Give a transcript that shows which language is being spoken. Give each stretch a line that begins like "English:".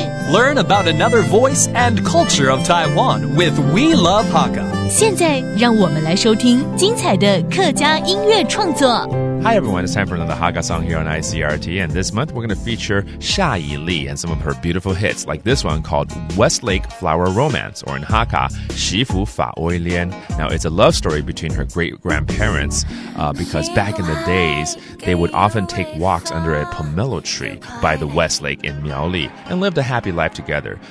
English: Learn about another voice and culture of Taiwan with We Love Hakka.
Chinese: 现在让我们来收听精彩的客家音乐创作。
English: Hi everyone, it's time for another Hakka song here on ICRT, and this month we're going to feature 夏以儷 and some of her beautiful hits, like this one called Westlake Flower Romance, or in Hakka, 媳妇发爱恋. Now it's a love story between her great-grandparents, because back in the days, they would often take walks under a pomelo tree by the Westlake in Miaoli, and lived a happy life together.